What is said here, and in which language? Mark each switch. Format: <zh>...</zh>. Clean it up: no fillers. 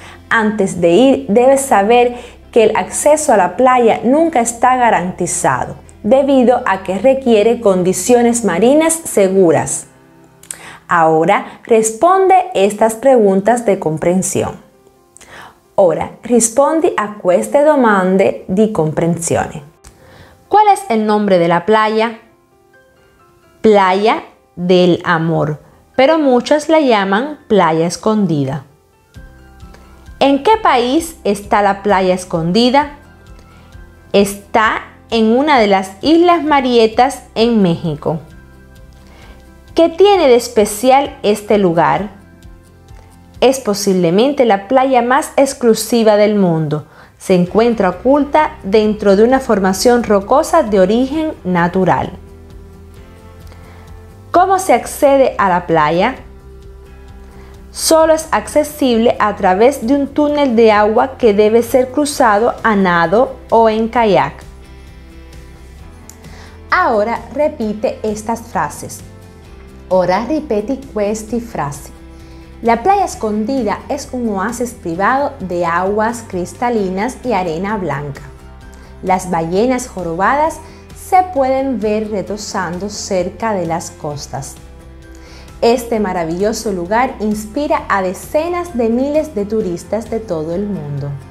<es>Antes de ir, debes saber que el acceso a la playa nunca está garantizado, debido a que requiere condiciones marinas seguras. Ahora, responde estas preguntas de comprensión.</es> <it>Ora, rispondi a queste domande di comprensione.</it> <es>¿Cuál es el nombre de la playa? Playa del Amor, pero muchos la llaman Playa Escondida. ¿En qué país está la Playa Escondida? Está en una de las Islas Marietas en México. ¿Qué tiene de especial este lugar? Es posiblemente la playa más exclusiva del mundo. Se encuentra oculta dentro de una formación rocosa de origen natural. ¿Cómo se accede a la playa? Solo es accesible a través de un túnel de agua que debe ser cruzado a nado o en kayak. Ahora repite estas frases.</es> <it>Ora ripeti queste frasi.</it> <es>La Playa Escondida es un oasis privado de aguas cristalinas y arena blanca. Las ballenas jorobadas se pueden ver retozando cerca de las costas. Este maravilloso lugar inspira a decenas de miles de turistas de todo el mundo.</es>